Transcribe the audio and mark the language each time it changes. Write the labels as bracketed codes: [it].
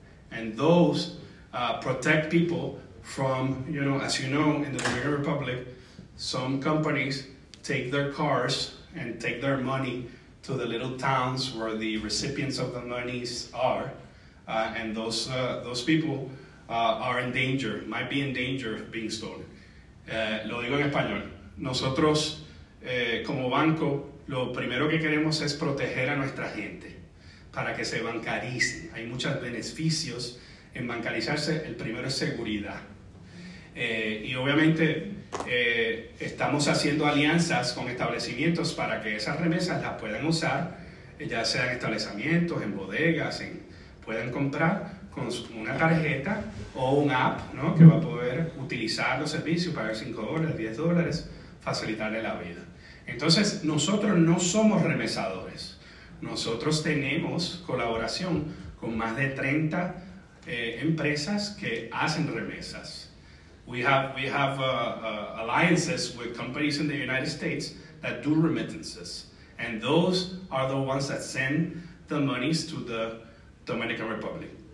[en] And those protect people from, as you know, in the Dominican Republic, some companies take their cars and take their money to the little towns where the recipients of the monies are. And those people are in danger, might be in danger of being stolen. [es] Lo digo en español. Nosotros, como banco, lo primero que queremos es proteger a nuestra gente para que se bancaricen. Hay muchos beneficios en bancarizarse. El primero es seguridad. Y obviamente estamos haciendo alianzas con establecimientos para que esas remesas las puedan usar, ya sea en establecimientos, en bodegas, puedan comprar con una tarjeta o un app, ¿no?, que va a poder utilizar los servicios, pagar $5, $10, facilitarle la vida. Entonces, nosotros no somos remesadores. Nosotros tenemos colaboración con más de 30 empresas que hacen remesas. [en] We have alliances with companies in the United States that do remittances. And those are the ones that send the monies to the Dominican Republic.